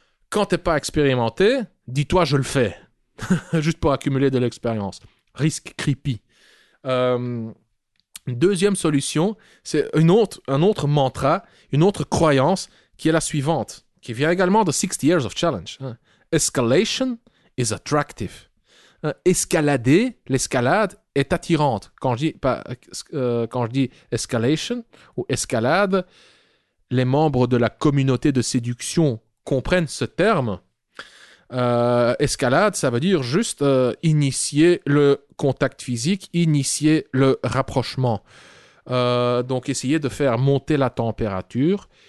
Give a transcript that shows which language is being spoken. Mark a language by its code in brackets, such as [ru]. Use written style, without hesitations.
[fr] Quand t'es pas expérimenté, dis-toi je le fais, juste pour accumuler de l'expérience. Risque creepy. Une deuxième solution, c'est un autre mantra, une autre croyance qui est la suivante, qui vient également de 60 Years of Challenge. [en] Escalation is attractive. [fr] Escalader, l'escalade est attirante. Quand je dis escalation ou escalade, les membres de la communauté de séduction comprennent ce terme. Escalade, ça veut dire juste initier le contact physique, initier le rapprochement. Donc essayer de faire monter la température